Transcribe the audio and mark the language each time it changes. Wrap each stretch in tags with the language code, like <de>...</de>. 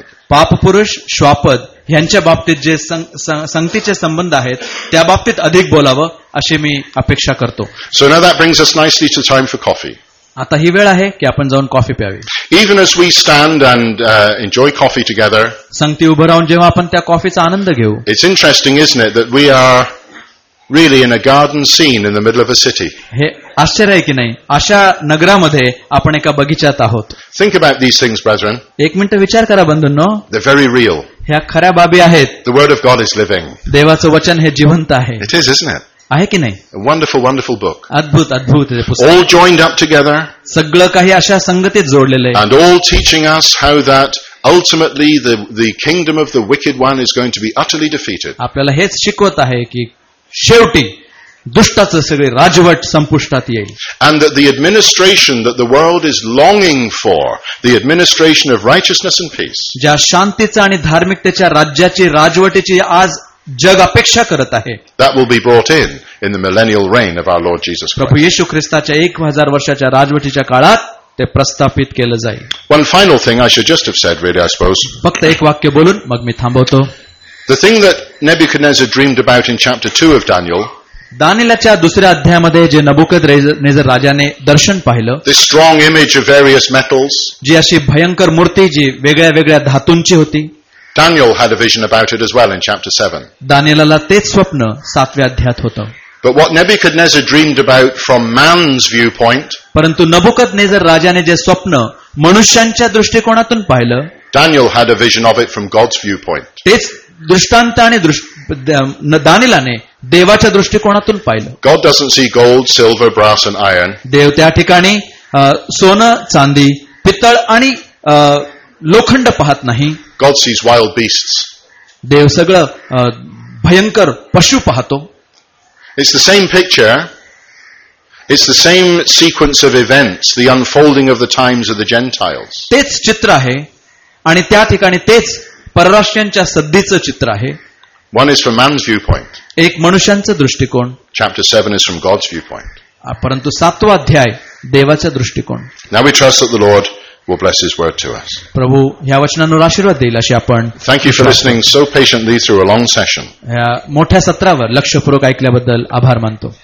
<mr>पाप पुरुष श्वापद यांच्या बाबतीत जे संगतीचे संबंध आहेत त्या बाबतीत अधिक बोलावं अशी मी अपेक्षा करतो.</mr> <en>So now that brings us nicely to time for coffee.</en> <mr>आता ही वेळ आहे की आपण जाऊन coffee प्यावी.</mr> <en>Even as we stand and enjoy coffee together.</en> <mr>संगती उभं राहून जेव्हा आपण त्या कॉफीचा आनंद घेऊ.</mr> <en>It's interesting, isn't it, that we are really in a garden scene in the middle of a city.</en> <mr>हे आश्चर्य आहे की नाही? अशा नगरामध्ये आपण एका बगीचात आहोत.</mr> <en>Think about these things, brethren.</en> <mr>एक मिनिट विचार करा बंधूंनो.</mr> <en>They're very real.</en> <mr>ह्या खऱ्या बाबी आहेत.</mr> <en>The word of God is living.</en> <mr>देवाचं वचन हे जिवंत आहे.</mr> <en>It is, isn't it?</en> <mr>आहे की नाही?</mr> <en>Wonderful book.</en> <mr>अद्भुत हे पुस्तक.</mr> <en>All joined up together.</en> <mr>सगळं काही अशा संगतीत जोडलेलं आहे.</mr> <en>And all teaching us how that ultimately the kingdom of the wicked one is going to be utterly defeated.</en> <mr>आपल्याला हेच शिकवत आहे की शेवटी दुष्टाचं सगळे राजवट संपुष्टात येईल.</mr> <en>And that the administration that the world is longing for, the administration of righteousness and peace.</en> <mr>ज्या शांतीचं आणि धार्मिकतेच्या राज्याची राजवटीची आज जग अपेक्षा करत आहे.</mr> <en>That will be brought in the millennial reign of our Lord Jesus Christ.</en> <mr>प्रभू येशू ख्रिस्ताच्या 1000 वर्षाच्या राजवटीच्या काळात ते प्रस्थापित केलं जाईल.</mr> <en>One final thing I should just have said really, I suppose.</en> <mr>फक्त एक वाक्य बोलून मग मी थांबवतो.</mr> <en>The thing that Nebuchadnezzar dreamed about in chapter 2 of Daniel.</en> <mr>दानिलच्या दुसऱ्या अध्यायामध्ये जे नबुकदनेझर राजाने दर्शन पाहिलं.</mr> <en>The strong image of various metals.</en> <mr>जी अशी भयंकर मूर्ती जी वेगळ्या वेगळ्या धातूंची होती.</mr> <en>Daniel had a vision about it as well in chapter 7.</en> <mr>दानिलला तेच स्वप्न 7व्या अध्यायात होतं.</mr> <en>But what Nebuchadnezzar dreamed about from man's viewpoint.</en> <mr>परंतु नबुकदनेझर राजाने जे स्वप्न मनुष्यांच्या दृष्टिकोनातून पाहिलं.</mr> <en>Daniel had a vision of it from God's viewpoint.</en> <mr>तेच दृष्टांत आणि दानिलाने देवाच्या दृष्टिकोनातून पाहिलं.</mr> <en>God doesn't see gold, silver, brass and iron.</en> <mr>देव त्या ठिकाणी सोनं चांदी पितळ आणि लोखंड पाहत नाही.</mr> <en>God sees wild beasts.</en> <mr>देव सगळं भयंकर पशु पाहतो.</mr> <en>It's the same picture. It's the same sequence of events, the unfolding of the times of the Gentiles.</en> <mr>तेच चित्र आहे आणि त्या ठिकाणी तेच परराष्ट्रांच्या सद्दीचं चित्र आहे.</mr> <en>One is from man's viewpoint.</en> <mr>एक मनुष्यांचा दृष्टिकोन.</mr> <en>Chapter 7 is from God's viewpoint.</en> <mr>परंतु 7वा अध्याय देवाचा दृष्टिकोन.</mr> <en>Now we trust that the Lord will bless his word to us.</en> <mr>प्रभु या वचनानुसार आशीर्वाद देईल अशी आपण.</mr> <en>Thank you for listening so patiently through a long session.</en> <mr>या मोठ्या सत्रावर लक्षपूर्वक ऐकल्याबद्दल आभार मानतो.</mr>